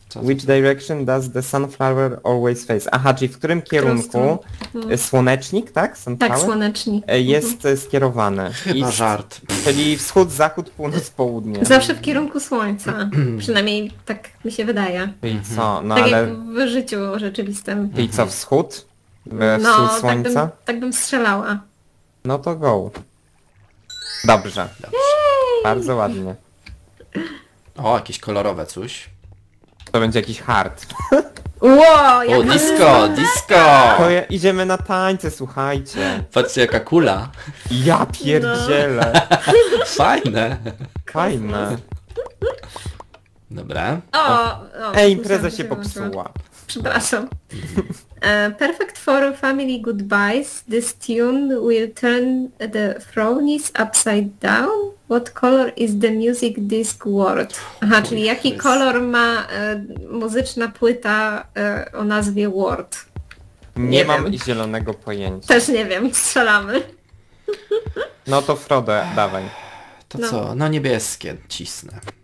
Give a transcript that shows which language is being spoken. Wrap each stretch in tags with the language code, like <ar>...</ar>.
<en>Which direction does the sunflower always face?</en> <pl>Aha, czyli w którym kierunku słonecznik, tak? Sunflower? Tak, słonecznik. Jest skierowany. Chyba east, żart. Czyli wschód, zachód, północ, południe. Zawsze w kierunku słońca. Przynajmniej tak mi się wydaje. I co? No tak ale... jak w życiu rzeczywistym. I co, wschód? Wschód no, słońca? Tak bym strzelała. No to go. Dobrze. Bardzo ładnie. O, jakieś kolorowe coś. To będzie jakiś hard. Wow, o, disco, disco! To ja, idziemy na tańce, słuchajcie. Patrzcie, jaka kula. Ja pierdzielę. No. Fajne. Fajne. Dobra. O, impreza się popsuła. Przepraszam.</pl> <en>Perfect for family goodbyes. This tune will turn the thrones upside down. What color is the music disc world?</en> <pl>Aha, czyli jaki kolor ma muzyczna płyta o nazwie World? Nie mam wiem. Zielonego pojęcia. Też nie wiem, strzelamy. No to Frodo, dawaj. To no. co? No niebieskie, cisnę.</pl>